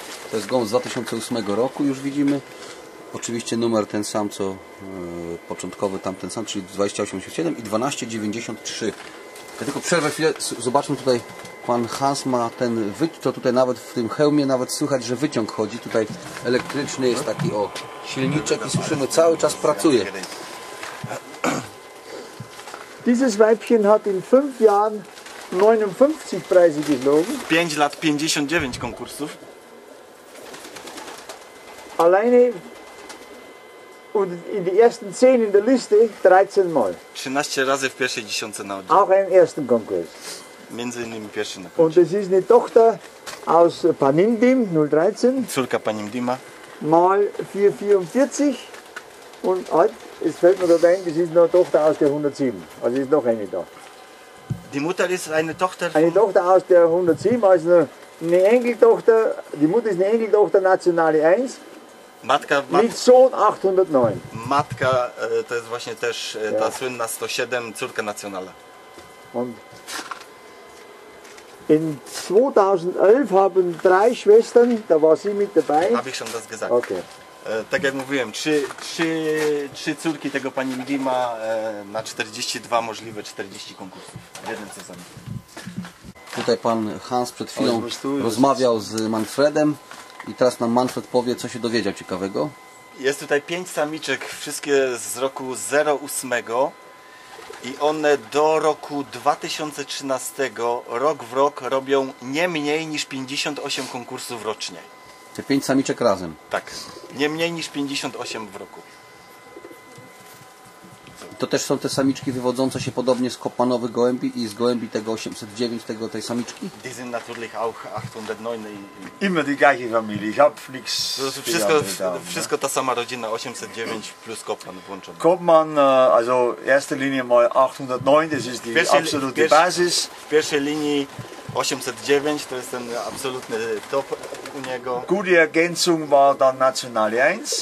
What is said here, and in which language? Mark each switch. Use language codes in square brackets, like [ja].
[pl] To jest gołąb z 2008 roku, już widzimy. Oczywiście numer ten sam, co początkowy tamten sam, czyli 2887 i 1293. Ja tylko przerwę chwilę, zobaczmy tutaj, pan Hans ma ten wyciąg, to tutaj nawet w tym hełmie nawet słychać, że wyciąg chodzi, tutaj elektryczny jest taki, o, silniczek i słyszymy, cały czas pracuje. [de] Dieses Weibchen hat in 5 Jahren 59 Preise geflogen. [pl] 5 lat 59 konkursów. [de] Alleine und in die ersten 10 in der Liste 13 mal. [pl] 13 razy w pierwszej dziesiątce na [de] odzie. Auch im ersten Konkurs. [pl] Między innymi pierwszy na [de] koncie. Und es ist eine Tochter aus Panindim 013. [pl] Córka Panindima. [de] Mal 444. Und halt, es fällt mir dort ein, das ist eine Tochter aus der 107. Also ist noch eine da. Die Mutter ist eine Tochter? Eine Tochter aus der 107, also eine Enkeltochter. Die Mutter ist eine Enkeltochter Nationale 1. [pl] Matka, [de] mit Sohn 809. [pl] Matka to jest właśnie też ta ja. Słynna 107, córka Nacjonala. [de] Und in 2011 haben drei Schwestern, da war sie mit dabei. Hab ich schon das gesagt. Okay. [pl] Tak jak mówiłem, trzy córki tego pani Mdima na 42 możliwe 40 konkursów w jednym sezonie. Tutaj pan Hans przed chwilą rozmawiał z Manfredem. I teraz nam Manfred powie, co się dowiedział ciekawego. Jest tutaj pięć samiczek, wszystkie z roku 08. I one do roku 2013, rok w rok, robią nie mniej niż 58 konkursów rocznie. Te 5 samiczek razem? Tak. Nie mniej niż 58 w roku. To też są te samiczki wywodzące się podobnie z kopanowych gołębi i z gołębi tego 809, tego, tej samiczki? [de] Die sind natürlich auch 809. Immer die gleiche Familie, ich hab nichts. [pl] Wszystko ta sama rodzina, 809 plus Kopan włączony. [de] Kopan, also erste Linie mal 809, das ist die absolute Basis. [pl] W pierwszej linii 809, to jest ten absolutny top u niego. [de] Gute Ergänzung war dann National 1.